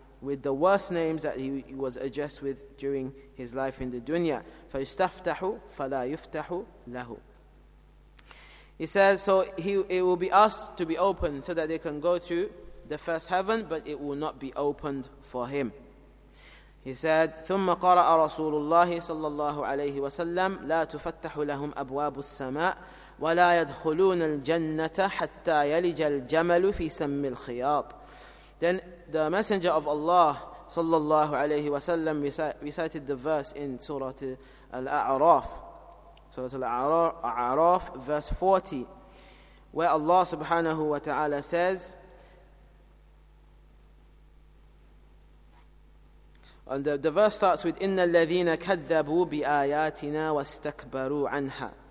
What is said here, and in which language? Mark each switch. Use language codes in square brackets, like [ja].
[en] With the worst names that he was addressed with during his life in the dunya. [ar] فَيُسْتَفْتَحُ فَلَا يُفْتَحُ لَهُ. [en] He says, so it will be asked to be opened so that they can go to the first heaven, but it will not be opened for him. He said, [ar] ثم قرأ رسول الله صلى الله عليه وسلم لا تفتح لهم أبواب السماء ولا يدخلون الجنة حتى يلج الجمل في سم الخياط. [en] Then the Messenger of Allah [ar] صلى الله عليه وسلم [en] recited the verse in Surah Al-A'raf, Surah Al-A'raf, verse 40, where Allah subhanahu wa ta'ala says, and the verse starts with, [ar] إِنَّ الَّذِينَ كَذَّبُوا بِآيَاتِنَا وَاسْتَكْبَرُوا عَنْهَا.